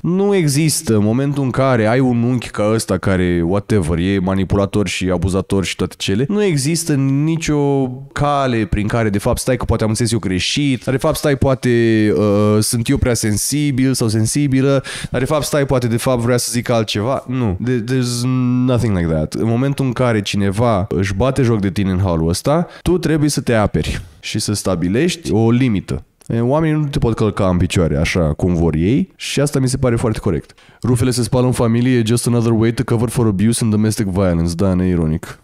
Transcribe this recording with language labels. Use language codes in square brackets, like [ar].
[ro] Nu există momentul în care ai un unchi ca ăsta care, whatever, e manipulator și abuzator și toate cele, nu există nicio cale prin care, de fapt, stai că poate am înțeles eu greșit, dar de fapt stai poate sunt eu prea sensibil sau sensibilă, dar de fapt stai poate de fapt vrea să zic altceva. [en] Nu, there's nothing like that. [ro] În momentul în care cineva își bate joc de tine în halul ăsta, tu trebuie să te aperi și să stabilești o limită. Oamenii nu te pot călca în picioare așa cum vor ei și asta mi se pare foarte corect. Rufele se spală în familie, [en] just another way to cover for abuse and domestic violence. [ro] Da, neironic.